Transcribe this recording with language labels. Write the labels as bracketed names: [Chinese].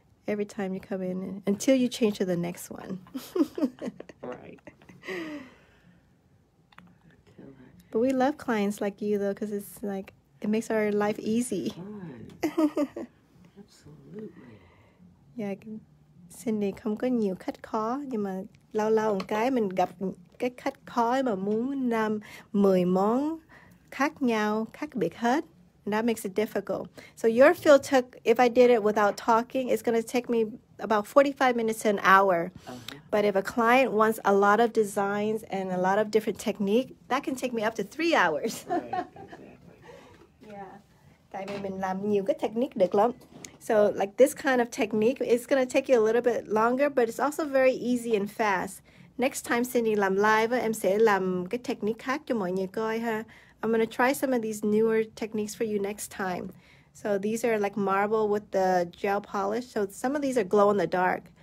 [English] Every time you come in until you change to the next one. Right. But we love clients like you though, because it's like it makes our life easy. Absolutely. [Vietnamese] Yeah, Cindy, không có nhiều khách khó nhưng mà lâu lâu một cái mình gặp cái khách khó mà muốn làm 10 món khác nhau khác biệt hết. [English] And that makes it difficult. So your field took, if I did it without talking, it's going to take me about 45 minutes to an hour. Okay. But if a client wants a lot of designs and a lot of different technique, that can take me up to 3 hours. Right, exactly. [Vietnamese] Yeah. Tại vì mình làm nhiều cái technique được lắm. [English] So like this kind of technique, it's going to take you a little bit longer, but it's also very easy and fast. [Vietnamese] Next time Cindy làm live, em sẽ làm cái technique khác cho mọi người coi ha. [English] I'm going to try some of these newer techniques for you next time. So these are like marble with the gel polish. So some of these are glow in the dark.